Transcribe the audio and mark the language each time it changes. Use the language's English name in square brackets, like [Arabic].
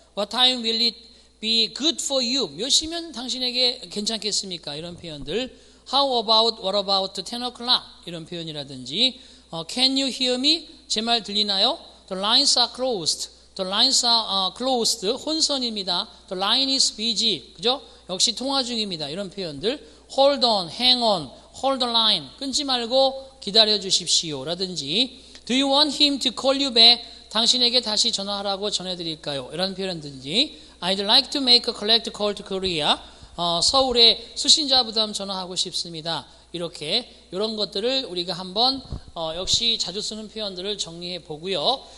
[English] What time will it be good for you? [Korean] 몇 시면 당신에게 괜찮겠습니까? 이런 표현들. [English] How about, what about 10 o'clock? [Korean] 이런 표현이라든지 [English] Can you hear me? [Korean] 제 말 들리나요? [English] The lines are closed. The lines are closed. [Korean] 혼선입니다. [English] The line is busy. [Korean] 그죠? 역시 통화 중입니다. 이런 표현들. [English] Hold on, hang on, hold the line. [Korean] 끊지 말고 기다려 주십시오. 라든지 [English] Do you want him to call you back? [Korean] 당신에게 다시 전화하라고 전해드릴까요? 이런 표현들이. [English] I'd like to make a collect call to Korea. [Korean] 서울에 수신자 부담 전화하고 싶습니다. 이렇게 이런 것들을 우리가 한번 역시 자주 쓰는 표현들을 정리해 보고요.